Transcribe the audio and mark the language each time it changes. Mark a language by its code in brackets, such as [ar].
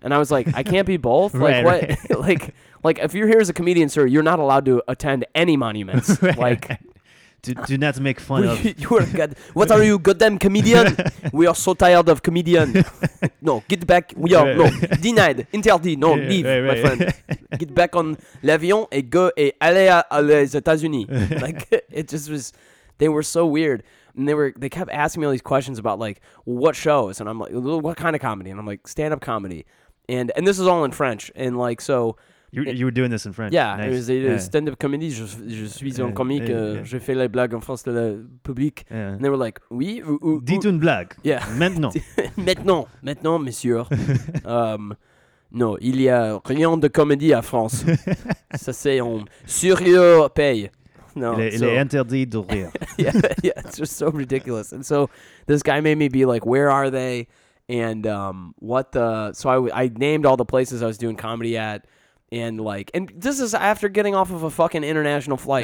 [en] And I was like, I can't be both. Like, right, what? Right. like if you're here as a comedian, sir, you're not allowed to attend any monuments. Right, like, right. Do not make fun of. You are good. What are you, goddamn comedian? We are so tired of comedian. No, get back. We are, right, no, denied, [fr] interdit, [en] no, yeah, leave, right, my right. friend. Get back on [fr] l'avion et go et aller à les États-Unis. [en] Like, it just was, they were so weird. And they kept asking me all these questions about, like, what shows? And I'm like, what kind of comedy? And I'm like, stand-up comedy. And this is all in French. And, like, so. You were doing this in French. Yeah. Nice. It was stand-up comedy. [fr] Je suis un comique. Je fais les blagues en face de la public. [en] Yeah. And they were like, oui. [fr] Dites une blague. [en] Yeah. [fr] Maintenant. Maintenant. Maintenant, monsieur. Non, il y a rien de comédie à France. Ça, c'est un sérieux pays. Non, il est interdit de rire. [en] yeah, it's just so ridiculous. And so this guy made me be like, where are they? And what the... So I named all the places I was doing comedy at. And, like, and this is after getting off of a fucking international flight.